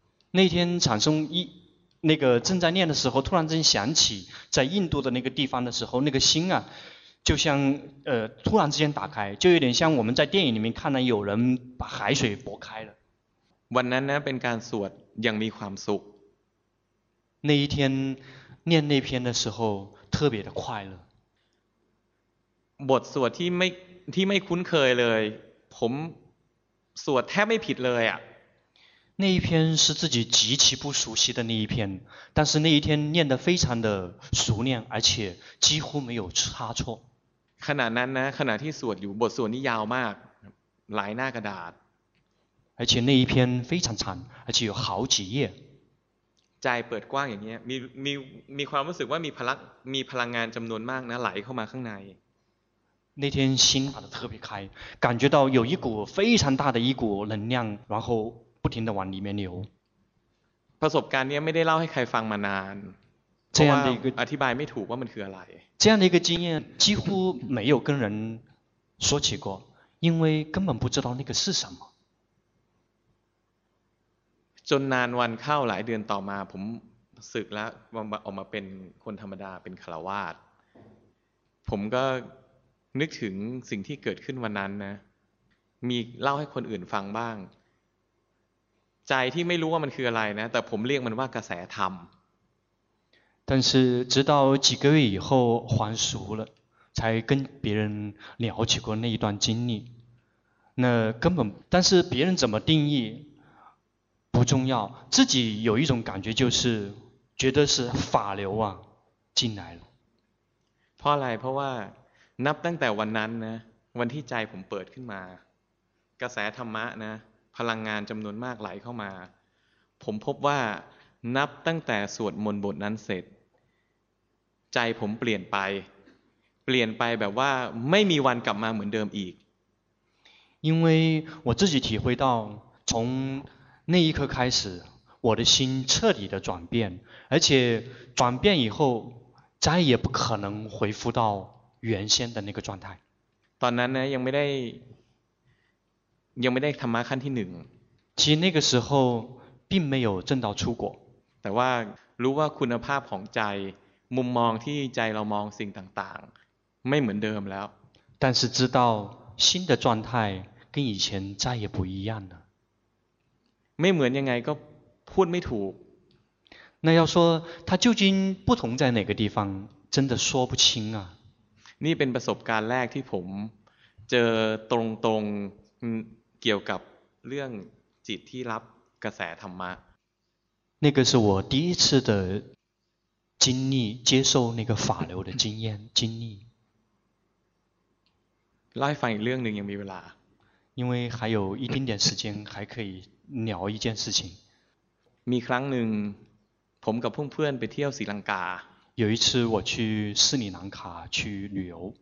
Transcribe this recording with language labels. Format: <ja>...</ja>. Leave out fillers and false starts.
<zh>那天产生一那个正在念的时候突然间想起在印度的那个地方的时候那个心啊就像突然之间打开就有点像我们在电影里面看到有人把海水拨开了</zh> <th>วันนั้นนะเป็นการสวดยังมีความสุข</th> <zh>那一天念那篇的时候特别的快乐</zh> <th>บทสวดที่ไม่คุ้นเคยเลยผมสวดแทบไม่ผิดเลยอ่ะ</th> <zh>那一篇是自己极其不熟悉的那一篇但是那一天念得非常的熟练而且几乎没有差错</zh> <th>ขณะนั้นนะขณะที่สวดอยู่บทสวดนี้ยาวมากหลายหน้ากระดาษ</th> <zh>而且那一篇非常长而且有好几页</zh> <th>ใจเปิดกว้างอย่างเงี้ยมีความรู้สึกว่ามีพลังงานจำนวนมากนะไหลเข้ามาข้างใน</th> <zh>那天心打得特别开感觉到有一股非常大的一股能量然后不停地往里面流</zh> <th>ประสบการณ์นี้ไม่ได้เล่าให้ใครฟังมานาน เพราะว่า อธิบายไม่ถูกว่ามันคืออะไร</th> <zh>这样的一个经验几乎没有跟人说起过因为根本不知道那个是什么。</zh> <th>จนนานวันเข้าหลายเดือนต่อมาผมศึกแล้วออกมาเป็นคนธรรมดาเป็นคฤหัสถ์ผมก็นึกถึงสิ่งที่เกิดขึ้นวันนั้นนะมีเล่าให้คนอื่นฟังบ้างใจที่ไม่รู้ว่ามันคืออะไรนะแต่ผมเรียกมันว่ากระแสธรรม</th> <zh>但是直到几个月以后还俗了才跟别人了解过那一段经历那根本但是别人怎么定义不重要自己有一种感觉就是觉得是法流啊进来了</zh> <th>เพราะอะไรเพราะว่านับตั้งแต่วันนั้นนะวันที่ใจผมเปิดขึ้นมากระแสธรรมะนะพลังงานจำนวนมากไหลเข้ามาผมพบว่านับตั้งแต่สวดมนต์บทนั้นเสร็จใจผมเปลี่ยนไปเปลี่ยนไปแบบว่าไม่มีวันกลับมาเหมือนเดิมอีก</th> <zh>因为我自己体会到从那一刻开始我的心彻底的转变而且转变以后再也不可能恢复到原先的那个状态</zh> <th>ตอนนั้นนะยังไม่ได้ธรรมะขั้นที่หนึ่ง</th> <zh>其实那个时候并没有证到出果</zh> <th>แต่ว่ารู้ว่าคุณภาพของใจมุมมองที่ใจเรามองสิ่งต่างๆไม่เหมือนเดิมแล้ว</th> <zh>但是知道新的状态跟以前再也不一样了</zh> <th>ไม่เหมือนยังไงก็พูดไม่ถูก</th> <zh>那要说它究竟不同在哪个地方真的说不清啊</zh> <th>นี่เป็นประสบการณ์แรกที่ผมเจอตรงๆเกี่ยวกับเรื่องจิตที่รับกระแสธรรมะ</th> <zh>那个是我第一次的经历接受那个法流的经验经历</zh> <th>ไล่ฟังอีกเรื่องนึงยังมีเวลา</th> <zh>因为还有一丁点时间还可以聊一件事情</zh> <th>มีครั้งนึงผมกับเพื่อนๆไปเที่ยวศรีลังกา</th> <zh>有一次我去斯里兰卡去旅游</zh>